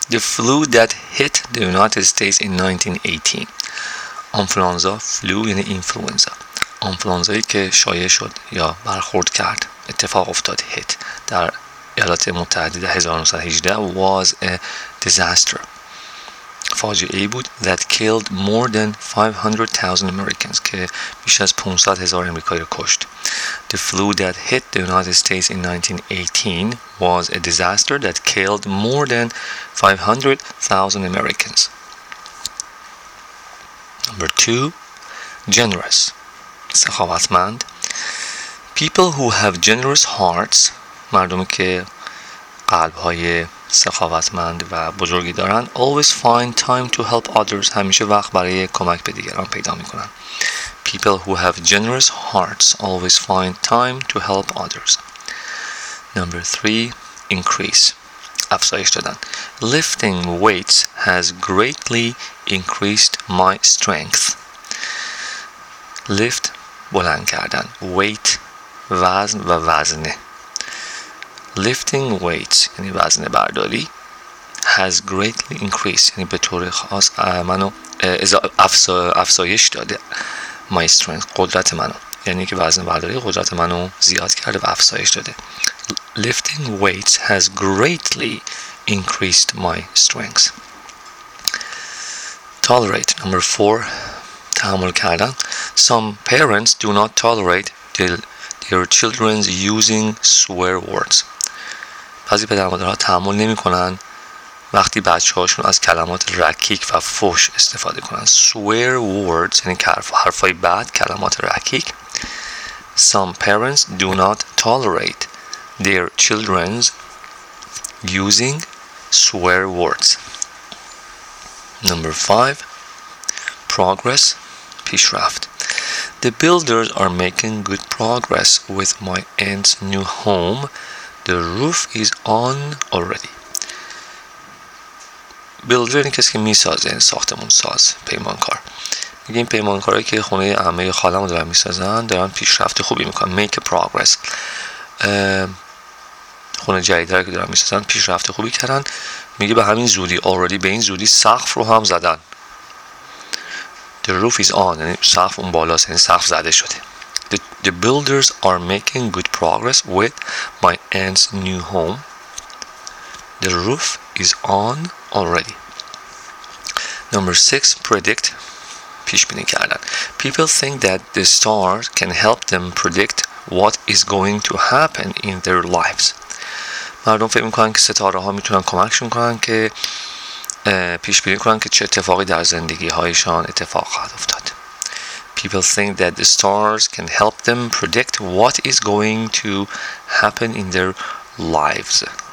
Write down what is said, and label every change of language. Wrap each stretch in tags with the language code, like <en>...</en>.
<en>The flu that hit the United States in 1918.</en> <fa>آنفلانزا، فلو یعنی اینفلوئنزا. آنفلانزایی که شایع شد یا برخورد کرد، اتفاق افتاد، hit در ایالات متحده 1918</fa> <en>was a disaster.</en> <fa>فاجعه بود</fa> <en>that killed more than 500,000 Americans</en> <fa>که بیش از 500,000 امریکایی رو کشت.</fa> <en>The flu that hit the United States in 1918 was a disaster that killed more than 500,000 Americans. Number 2, generous. سخاوتمند. People who have generous hearts,</en> <fa>مردمی که قلب‌های سخاوتمند و بزرگی دارن،</fa> <en>always find time to help others,</en> <fa>همیشه وقت برای کمک به دیگران پیدا میکنن.</fa> <en>People who have generous hearts always find time to help others. Number 3, increase.</en> <fa>افزایش دادن.</fa> <en>Lifting weights has greatly increased my strength.</en> <fa>Lift, بلند کردن. Weight, وزن و وزنه.</fa> <en>Lifting weights,</en> <fa>یعنی وزن برداری,</fa> <en>has greatly increased,</en> <fa>یعنی به طور خاص منو افزایش داده.</fa> <en>My strength,</en> <fa>قدرت منو. یعنی که وزن برداری قدرت منو زیاد کرده و افزایش داده.</fa> <en>Lifting weights has greatly increased my strength. Tolerate, number 4,</en> <fa>تحمل کردن.</fa> <en>Some parents do not tolerate their children's using swear words.</en> <fa>بعضی پدرمادرها تحمل نمی کنن وقتی بچه هاشون از کلمات رکیک و فوش استفاده کنن. Swear words یعنی حرفای بد، کلمات رکیک.</fa> <en>Some parents do not tolerate their children's using swear words. Number 5, progress, پیشرفت. The builders are making good progress with my aunt's new home. The roof is on already.</en> <fa>Builder یعنی کسی که میسازه، یعنی ساختمون ساز، پیمانکار. میگیم پیمانکارهایی که خونه عمه خالمو دارن میسازن، دارن پیشرفت خوبی میکنن.</fa> <en>Make a progress.</en> <fa>خونه جدید که دارن میسازن، پیشرفت خوبی کردن. میگه به همین زودی، already، به این زودی سقف رو هم زدن.</fa> <en>The roof is on.</en> <fa>یعنی سقف اون بالاست، یعنی سقف زده شده.</fa> <en>The builders are making good progress with my aunt's new home. The roof is on already. Number 6, predict.</en> <fa>پیشبینی کردن.</fa> <en>People think that the stars can help them predict what is going to happen in their lives.</en> <fa>مردم فکر میکنن که ستاره ها میتونن کمکشون کنن که پیشبینی کنن که چه اتفاقی در زندگی هایشان اتفاق خواهد افتاد.</fa> <en>People think that the stars can help them predict what is going to happen in their lives.</en>